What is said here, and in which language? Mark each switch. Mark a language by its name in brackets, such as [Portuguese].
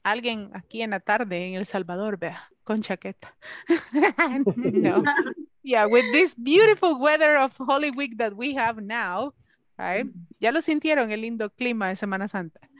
[Spanish] Alguien aquí en la tarde en El Salvador, vea, con chaqueta. No. [English] Yeah, with this beautiful weather of Holy Week that we have now, right? [Spanish] ¿Ya lo sintieron el lindo clima de Semana Santa?